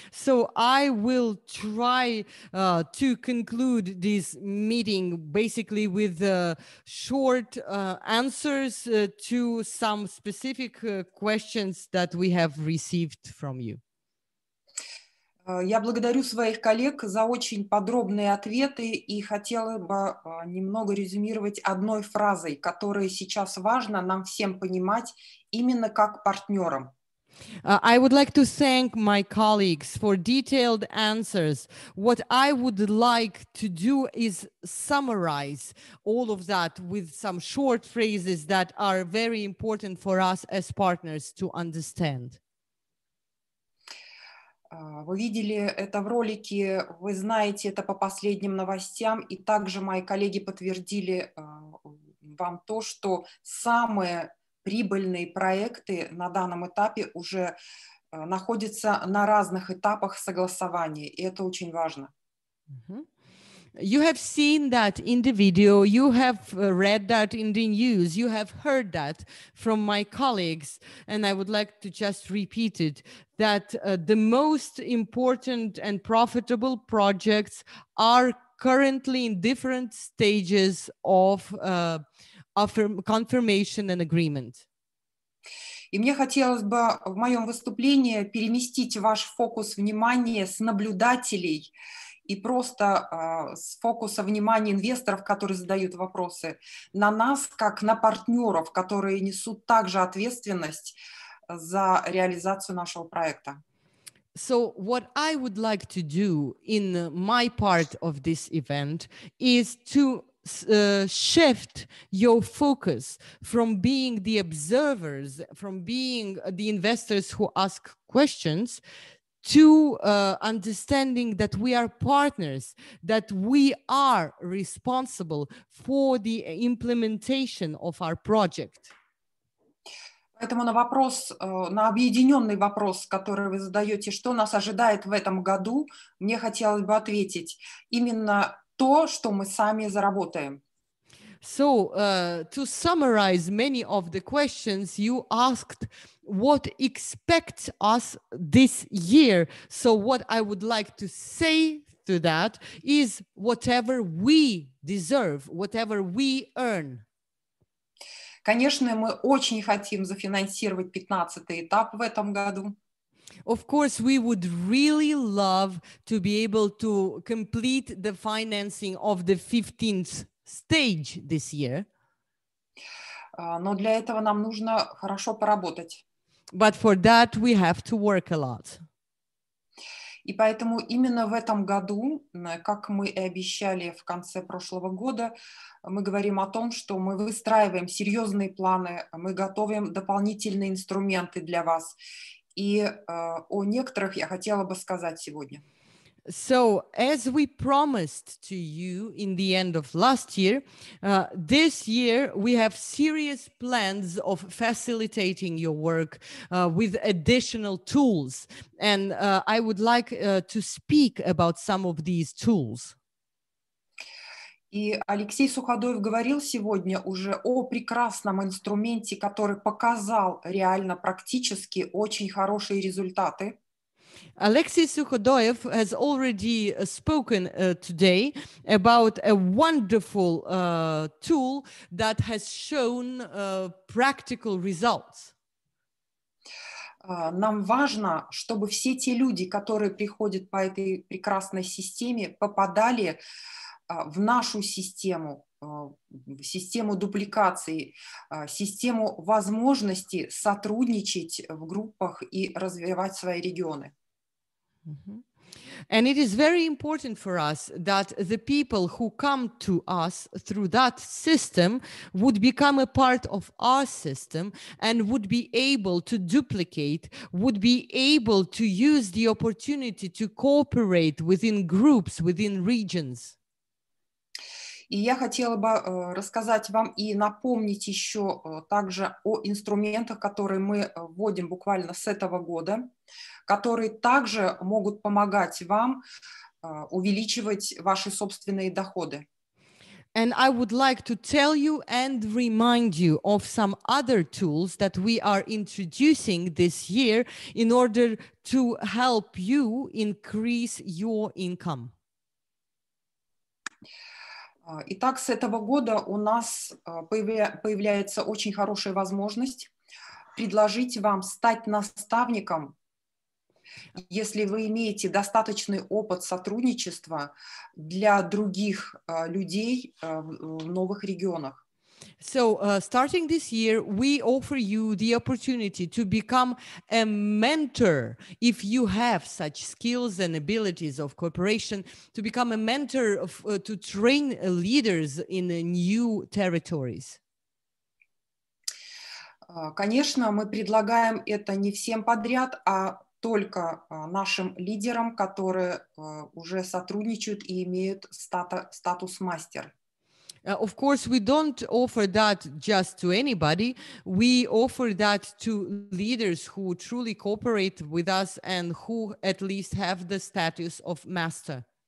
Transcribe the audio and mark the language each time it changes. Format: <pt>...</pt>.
<en>So I will try to conclude this meeting basically with short answers to some specific questions that we have received from you.</en> <ru>Я благодарю своих коллег за очень подробные ответы и хотела бы немного резюмировать одной фразой, которая сейчас важна нам всем понимать именно как партнерам.</ru> <en>I would like to thank my colleagues for detailed answers. What I would like to do is summarize all of that with some short phrases that are very important for us as partners to understand.</en> <ru>Вы видели это в ролике, вы знаете это по последним новостям, и также мои коллеги подтвердили вам то, что самые прибыльные проекты на данном этапе уже находятся на разных этапах согласования, и это очень важно.</ru> <en>You have seen that in the video, you have read that in the news, you have heard that from my colleagues, and I would like to just repeat it, that the most important and profitable projects are currently in different stages of confirmation and agreement.</en> <ru>И мне хотелось бы в моем выступлении переместить ваш фокус внимания с наблюдателей и просто с фокуса внимания инвесторов, которые задают вопросы, на нас, как на партнеров, которые несут также ответственность за реализацию нашего проекта.</ru> <en>So what I would like to do in my part of this event is to shift your focus from being the observers, from being the investors who ask questions, to understanding that we are partners, that we are responsible for the implementation of our project.</en> <ru>Поэтому на вопрос, на объединенный вопрос, который вы задаете, что нас ожидает в этом году, мне хотелось бы ответить именно то, что мы сами заработаем.</ru> <en>So, to summarize many of the questions you asked, what expects us this year? So, what I would like to say to that is whatever we deserve, whatever we earn.</en> <ru>Конечно, мы очень хотим зафинансировать 15-й этап в этом году.</ru> <en>Of course, we would really love to be able to complete the financing of the 15th stage this year.</en> <ru>Но для этого нам нужно хорошо поработать.</ru> <en>But for that we have to work a lot.</en> <ru>И поэтому именно в этом году, как мы и обещали в конце прошлого года, мы говорим о том, что мы выстраиваем серьезные планы, мы готовим дополнительные инструменты для вас. И о некоторых я хотела бы сказать сегодня.</ru> <en>So, as we promised to you in the end of last year, this year we have serious plans of facilitating your work with additional tools. And I would like to speak about some of these tools.</en> <ru>И Алексей Суходоев говорил сегодня уже о прекрасном инструменте, который показал реально практически очень хорошие результаты.</ru> <en>Alexey Sukhodoyev has already spoken today about a wonderful tool that has shown practical results.</en> <ru>Нам важно, чтобы все те люди, которые приходят по этой прекрасной системе, попадали в нашу систему, в систему дупликации, систему возможности сотрудничать в группах и развивать свои регионы.</ru> <en>And it is very important for us that the people who come to us through that system would become a part of our system and would be able to duplicate, would be able to use the opportunity to cooperate within groups, within regions.</en> <ru>И я хотела бы рассказать вам и напомнить еще также о инструментах, которые мы вводим буквально с этого года, которые также могут помогать вам увеличивать ваши собственные доходы.</ru> <en>And I would like to tell you and remind you of some other tools that we are introducing this year in order to help you increase your income.</en> <ru>Итак, с этого года у нас появляется очень хорошая возможность предложить вам стать наставником, если вы имеете достаточный опыт сотрудничества для других людей в новых регионах.</ru> <en>So, starting this year, we offer you the opportunity to become a mentor if you have such skills and abilities of cooperation, to become a mentor of, to train leaders in new territories.</en> <ru>Конечно, мы предлагаем это не всем подряд, а только нашим лидерам, которые уже сотрудничают и имеют статус мастер.</ru> <en>Of course, we don't offer that just to anybody. We offer that to leaders who truly cooperate with us and who at least have the status of master.</en>